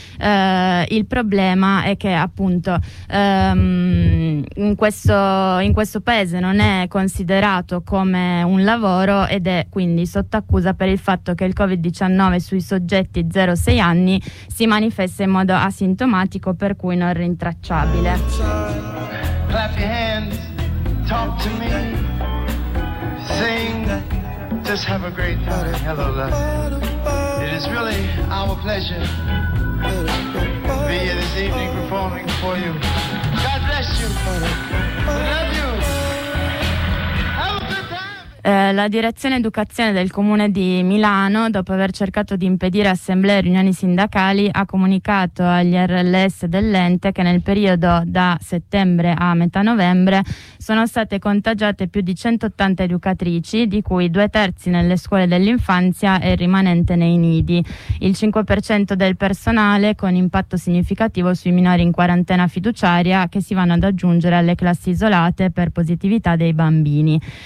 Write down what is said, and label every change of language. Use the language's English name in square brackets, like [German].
[Italian] Il problema è che appunto in questo paese non è considerato come un lavoro ed è quindi sotto accusa per il fatto che il Covid-19 sui soggetti 0-6 anni si manifesta in modo asintomatico, per cui non rintracciabile. [English] Clap your hands. Talk to me, sing, just have a great time. Hello, love. It is really our pleasure to be here this evening performing for you. God bless you. We love you. [Italian] La direzione educazione del comune di Milano, dopo aver cercato di impedire assemblee e riunioni sindacali, ha comunicato agli RLS dell'ente che nel periodo da settembre a metà novembre sono state contagiate più di 180 educatrici, di cui due terzi nelle scuole dell'infanzia e il rimanente nei nidi, il 5% del personale, con impatto significativo sui minori in quarantena fiduciaria che si vanno ad aggiungere alle classi isolate per positività dei bambini.